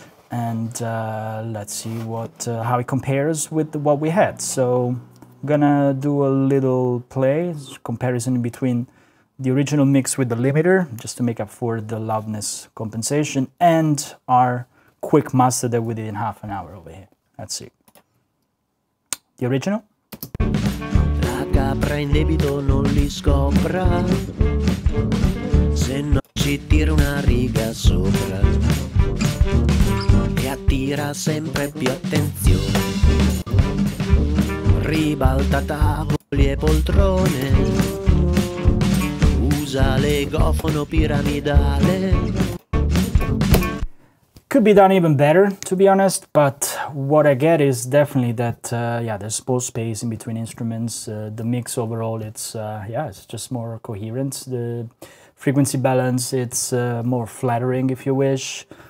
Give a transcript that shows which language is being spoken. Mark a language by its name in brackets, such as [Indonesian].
[English] And let's see how it compares with what we had. So I'm gonna do a little play, comparison between the original mix with the limiter, just to make up for the loudness compensation, and our quick master that we did in half an hour over here. Let's see. The original. [Italian] La capra in debito non li scopra, se non ci tira una riga sopra. Attira sempre più attenzione, ribalta tavoli e poltrone, usa l'egofono piramidale. [English] Could be done even better, to be honest, but what I get is definitely that there's more space in between instruments, the mix overall, it's just more coherent, the frequency balance, it's more flattering, if you wish.